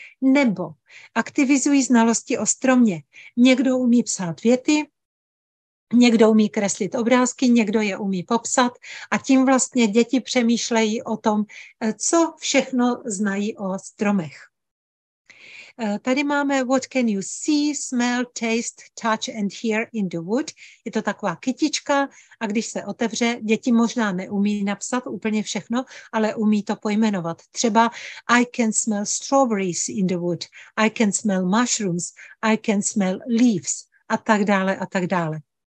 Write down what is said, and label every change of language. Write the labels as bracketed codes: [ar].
[cs] Nebo aktivizují znalosti o stromě. Někdo umí psát věty, někdo umí kreslit obrázky, někdo je umí popsat a tím vlastně děti přemýšlejí o tom, co všechno znají o stromech. Tady máme [en] what can you see, smell, taste, touch and hear in the wood. [cs] Je to taková kytička a když se otevře, děti možná neumí napsat úplně všechno, ale umí to pojmenovat. Třeba [en] I can smell strawberries in the wood, I can smell mushrooms, I can smell leaves [cs] a tak dále a tak dále.